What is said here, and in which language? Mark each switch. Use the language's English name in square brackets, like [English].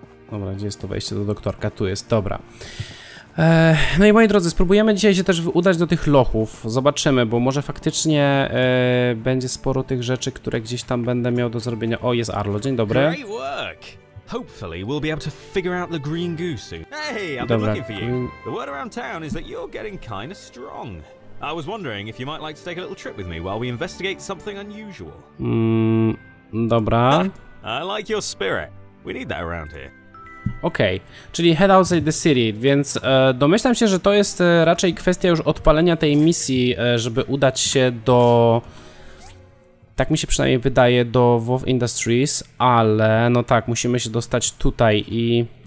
[Polish] Dobra, gdzie jest to wejście do doktorka? Tu jest, dobra. No i moi drodzy, spróbujemy dzisiaj się też udać do tych lochów. Zobaczymy, bo może faktycznie będzie sporo tych rzeczy, które gdzieś tam będę miał do zrobienia. O, jest Arlo, dzień dobry. [English] Hopefully we'll be able to figure out the green goo soon. Hey, I've been looking for you. The word around town is that you're getting kind of strong. I was wondering if you might like to take a little trip with me while we investigate something unusual. Dobra. I like your spirit. We need that around here. Okej, okay. [Polish] Czyli [English] head outside the city, [Polish] więc domyślam się, że to jest raczej kwestia już odpalenia tej misji, żeby udać się do... Tak mi się przynajmniej wydaje, do Wolf Industries, ale no tak, musimy się dostać tutaj i...